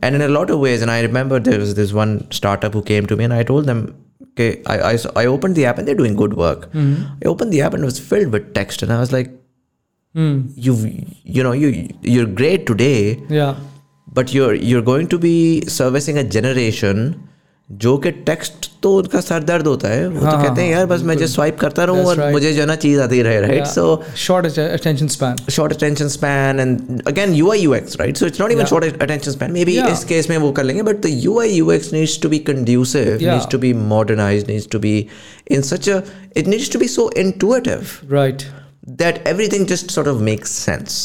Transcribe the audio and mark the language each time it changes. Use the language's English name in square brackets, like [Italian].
[English] And in a lot of ways, and I remember there was this one startup who came to me and I told them, okay, I opened the app and they're doing good work. I opened the app and it was filled with text and I was like, you're great today, yeah, but you're going to be servicing a generation [Urdu] جو کہ text تو ان کا سر درد ہوتا ہے, وہ تو کہتے ہیں یار بس میں جس سوائپ کرتا رہوں اور مجھے جو ہے نا چیز آتی رہے, right? So [English] Short attention span and again U I U X, right? So it's not even short attention span, maybe [Urdu] اس case میں وہ کر لیں گے, [English] But the U I U X needs to be conducive, needs to be modernized, needs to be in such a, it needs to be so intuitive, right, that everything just sort of makes sense.